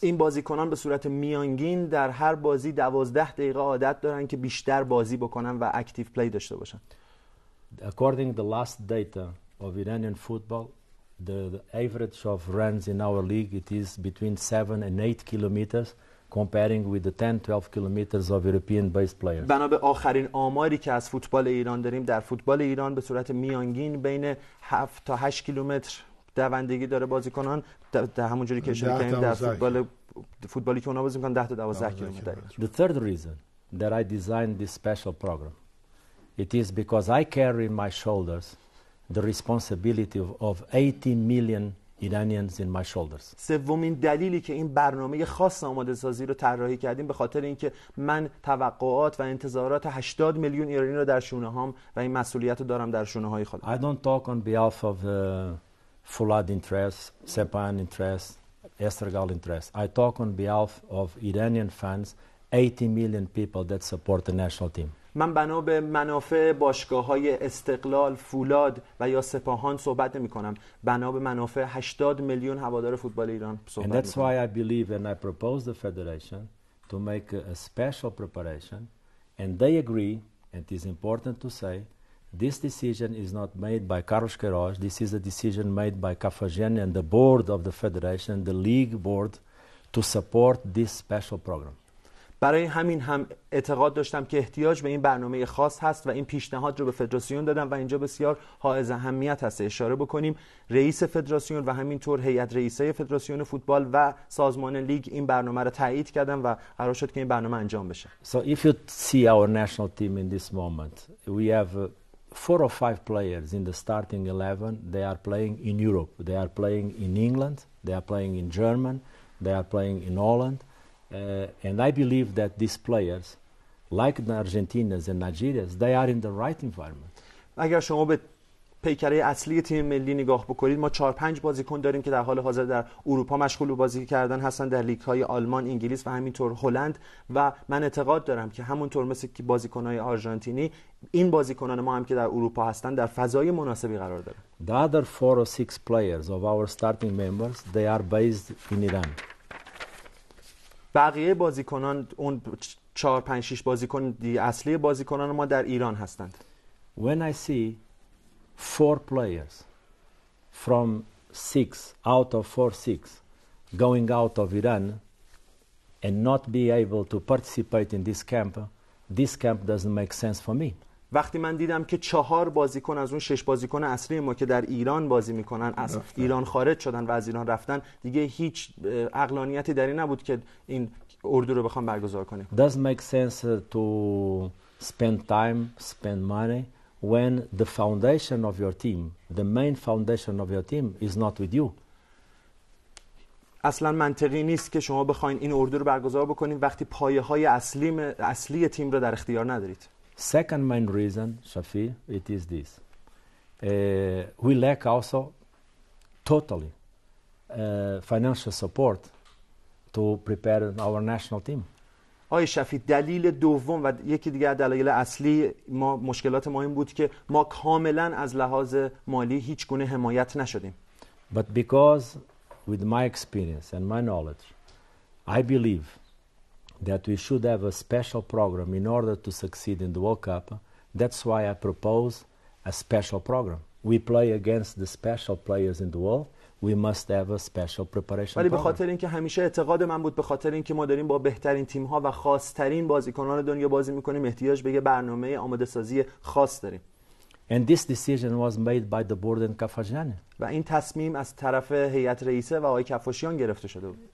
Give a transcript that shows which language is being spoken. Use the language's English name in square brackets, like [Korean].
[Persian] این بازیکنان به صورت میانگین در هر بازی 12 دقیقه عادت دارن که بیشتر بازی بکنن و اکتیو پلی داشته باشن. [English] According to the last data of Iranian football, The average of runs in our league it is between 7 and 8 kilometers comparing with the 10-12 kilometers of European based players. [Persian] بنا به آخرین آماری که از فوتبال ایران داریم در فوتبال ایران به صورت میانگین بین 7 تا 8 کیلومتر دوندگی داره بازیکنان در همونجوری که اشاره کردیم در فوتبال فوتبالی که اونا بازی میکنن 10 تا 12 کیلومتر. [English] The third reason that I designed this special program it is because I carry in my shoulders the responsibility of 80 million Iranians in my shoulders. [Persian] سومین دلیلی که این برنامه خاص آماده سازی رو طراحی کردیم به خاطر اینکه من توقعات و انتظارات 80 میلیون ایرانی رو در شونه هام و این مسئولیت رو دارم در شونه های خودم. [English] I don't talk on behalf of Fulad interest, Sepahan interest, Estergal interest. I talk on behalf of Iranian fans, 80 million people that support the national team. [Persian] من بنا به منافع باشگاه‌های استقلال، فولاد و یا سپاهان صحبت نمی‌کنم. بنا به منافع 80 میلیون هوادار فوتبال ایران صحبت می‌کنم. [English] And that's why I believe and I propose the federation to make a special preparation and they agree and it is important to say this decision is not made by Carlos Queiroz, this is a decision made by Cafagene and the board of the federation, the league board to support this special program. [Persian] برای همین هم اعتقاد داشتم که احتیاج به این برنامه خاص هست و این پیشنهاد رو به فدراسیون دادم و اینجا بسیار حائز اهمیت هست اشاره بکنیم رئیس فدراسیون و همینطور هیئت رئیسه فدراسیون فوتبال و سازمان لیگ این برنامه رو تایید کردن و قرار شد که این برنامه انجام بشه. [English] So if you see our national team in this moment, we have four or five players in the starting 11. They are playing in Europe. They are playing in England. They are playing in German. They are playing in Holland. And I believe that these players, like the Argentinians and Nigerians, they are in the right environment. [Persian] اگر شما به پیکره اصلی تیم ملی نگاه بکنید ما 4-5 بازیکن داریم که در حال حاضر در اروپا مشغول بازی کردن هستن در لیگ های آلمان، انگلیس و همینطور هلند و من اعتقاد دارم که همونطور مثل که بازیکن های آرژانتینی این بازیکنان ما هم که در اروپا هستن در فضای مناسبی قرار دارن. [English] The other 4 or 6 players of our starting members, they are based in Iran. [Persian] بقیه بازیکنان اون 4-5-6 بازیکن اصلی بازیکنان ما در ایران هستند. [English] When I see 4 players from 6 out of 4-6 going out of Iran and not be able to participate in this camp doesn't make sense for me. [Persian] وقتی من دیدم که 4 بازیکن از اون 6 بازیکن اصلی ما که در ایران بازی میکنن از ایران خارج شدن و از ایران رفتن دیگه هیچ عقلانیتی در این نبود که این اردو رو بخوام برگزار کنیم. [English] Does make sense to spend time, spend money when the foundation of your team, the main foundation of your team is not with you? [Persian] اصلا منطقی نیست که شما بخواین این اردو رو برگزار بکنید وقتی پایه‌های اصلی تیم رو در اختیار ندارید. [English] Second main reason, Shafi, it is this. We lack also totally financial support to prepare our national team. [Persian] آی شفی دلیل دوم و یکی دیگر دلایل اصلی ما مشکلات ما این بود که ما کاملا از لحاظ مالی هیچ گونه حمایت نشدیم. [English] But because with my experience and my knowledge, I believe that we should have a special program in order to succeed in the World Cup. That's why I propose a special program. We play against the special players in the world. We must have a special preparation. [Persian] ولی به خاطر اینکه همیشه اعتقاد من بود به خاطر اینکه ما داریم با بهترین تیم‌ها و خاص‌ترین بازیکنان دنیا بازی می‌کنیم، احتیاج به یه برنامه آماده‌سازی خاص داریم. [English] And this decision was made by the board and Cafagene. [Persian] و این تصمیم از طرف هیئت رئیسه و آقای کفاشیان گرفته شده بود.